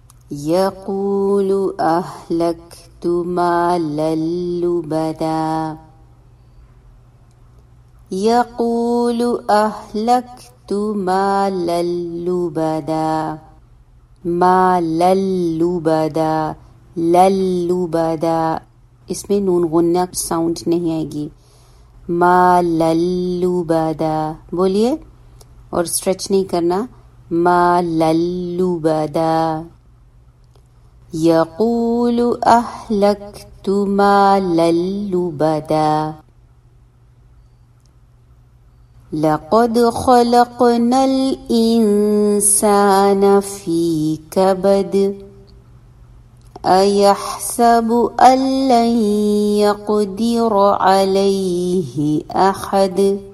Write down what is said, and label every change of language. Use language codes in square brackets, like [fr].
[ar] يقول أهلكت مالا لبدا يقول أهلكت مالا لبدا مالا لبدا لبدا. [ur] اس میں نون غنہ ساؤنڈ نہیں آئے گی. [ar] مالا لبدا [ur] بولیے اور اسٹریچ نہیں کرنا. [ar] مالا لبدا. يقول أهلكت مالا لبدا لقد خلقنا الإنسان في كبد أيحسب أن لن يقدر عليه أحد.